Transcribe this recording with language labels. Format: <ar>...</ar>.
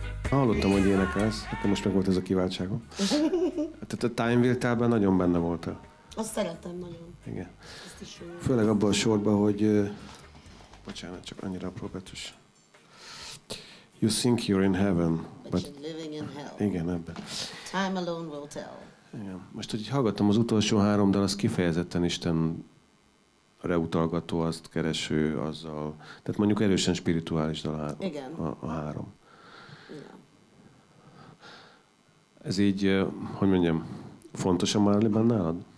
<hu>Hallottam, hogy énekelsz, akkor most meg volt ez a kiváltságom. Tehát a Time Will Tell-ben nagyon benne voltál. Azt szerettem nagyon. Igen. Főleg abban a sorban, hogy... Bocsánat, csak annyira apró betűs.</hu> <en>You think you're in heaven, but you're living in hell.</en> <hu>Igen, ebben.</hu> <en>Time alone will tell.</en> <hu>Igen. Most, hogy hallgattam az utolsó három dal, az kifejezetten Istenre utalgató, azt kereső, azzal... Tehát mondjuk erősen spirituális dal a három. Ez így, hogy mondjam, fontos a Marley-ben nálad?</hu>